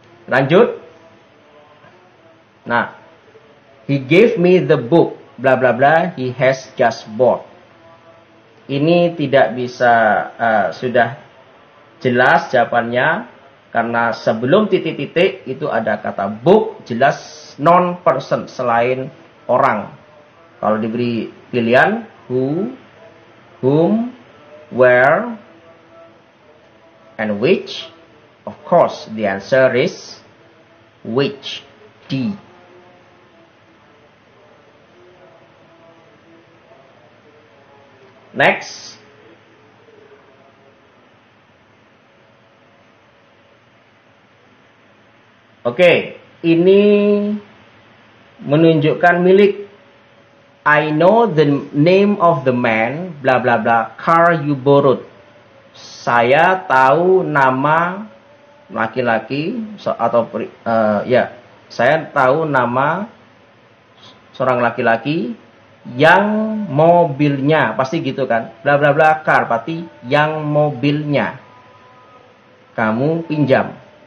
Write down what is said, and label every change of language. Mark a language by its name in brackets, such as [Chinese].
[Indonesian] Lanjut. Nah, [English] he gave me the book, bla bla bla, he has just bought. [Indonesian] Ini tidak bisa, sudah jelas jawabannya, karena sebelum titik-titik itu ada kata book, jelas non-person, selain orang. Kalau diberi pilihan, [English] who, whom, where, and which, of course, the answer is which, D. Next. [Indonesian] Oke, ini menunjukkan milik. [English] I know the name of the man, bla bla bla, car you borrowed. [Indonesian] Saya tahu nama laki-laki atau saya tahu nama seorang laki-laki yang mobilnya, pasti gitu kan, bla bla bla car, pasti yang mobilnya kamu pinjam.